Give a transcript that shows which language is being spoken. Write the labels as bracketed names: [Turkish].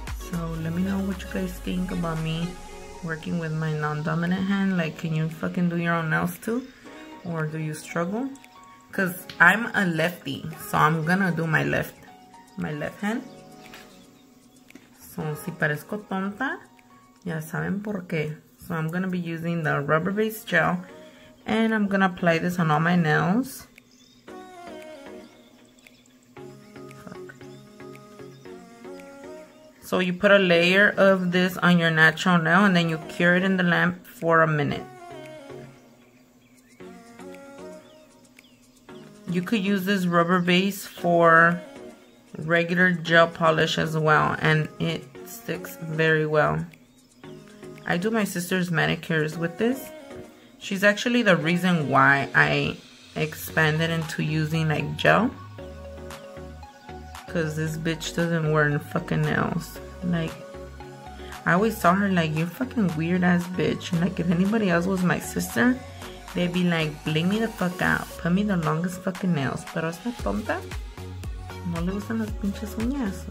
[English] So let me know what you guys think about me working with my non-dominant hand. Like, can you fucking do your own nails too? Or do you struggle? Because I'm a lefty, so I'm gonna do my left hand. [Spanish] So, si parezco tonta, ya saben por qué. [English] So, I'm gonna be using the rubber base gel. And I'm gonna apply this on all my nails. So you put a layer of this on your natural nail and then you cure it in the lamp for a minute. You could use this rubber base for regular gel polish as well, and it sticks very well. I do my sister's manicures with this. She's actually the reason why I expanded into using like gel. Cause this bitch doesn't wear fucking nails. Like, I always saw her like, you're fucking weird ass bitch. And like, if anybody else was my sister, they'd be like, bling me the fuck out. Put me the longest fucking nails. [Spanish] Pero esta tonta, no le gustan las pinches uñas.